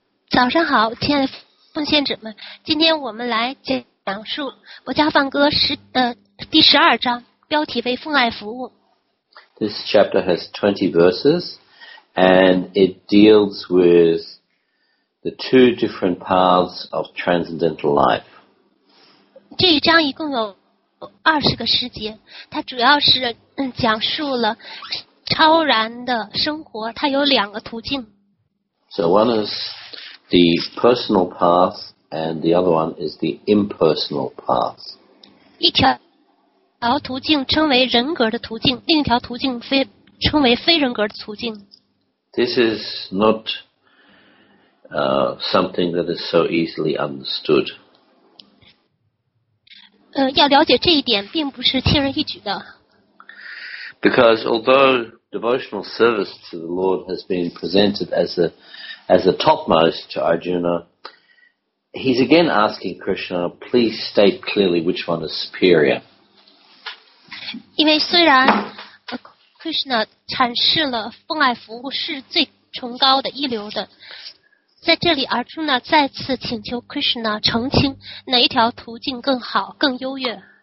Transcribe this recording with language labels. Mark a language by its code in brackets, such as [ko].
[zh] 早上好，亲爱的奉献者们，今天我们来讲述《波迦梵歌》第十二章，标题为奉爱服务。 [en] This chapter has 20 verses, and it deals withThe two different paths of transcendental life. [zh] 这一章一共有20个诗节，它主要是讲述了超然的生活，它有两个途径。 [en] So one is the personal path, and the other one is the impersonal path. [zh] 一条途径称为人格的途径，另一条途径称为非人格的途径。 [en] This is notsomething that is so easily understood. [zh] 要了解这一点并不是轻而易举的。 [en] Because although devotional service to the Lord has been presented as a topmost to Arjuna, he's again asking Krishna, please state clearly which one is superior. [zh] 因为虽然Krishna 阐释了奉爱服务是最崇高的一流的，在这里Arjuna再次请求 Krishna 澄清哪一条途径更好更优越。